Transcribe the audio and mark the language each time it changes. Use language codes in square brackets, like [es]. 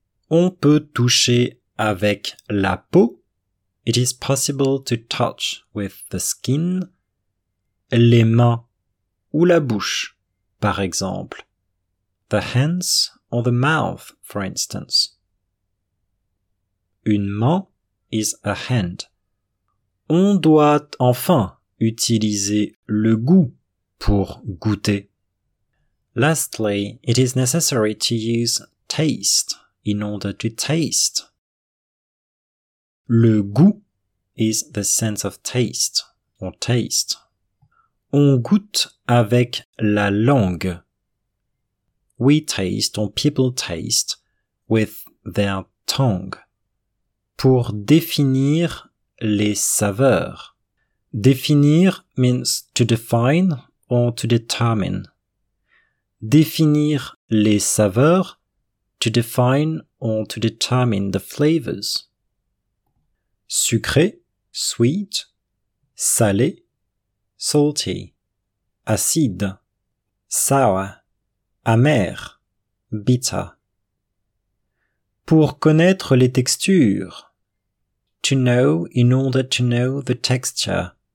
[fr] On peut toucher avec la peau. [en] It is possible to touch with the skin, [fr] les mains ou la bouche. Par exemple, [en] the hands or the mouth, for instance. Une main is a hand. [fr] On doit enfin utiliser le goût pour goûter. [en] Lastly, it is necessary to use taste in order to taste. Le goût is the sense of taste or taste. [fr] On goûte avec la langue. [en] We taste, or people taste, with their tongue. [fr] Pour définir les saveurs. [en] Définir means to define or to determine. [fr] Définir les saveurs, [en] to define or to determine the flavors. [fr] Sucré, sweet, salé, salty, acide, sour, amer, bitter. Pour connaître les textures. [en] To know in order to know the texture.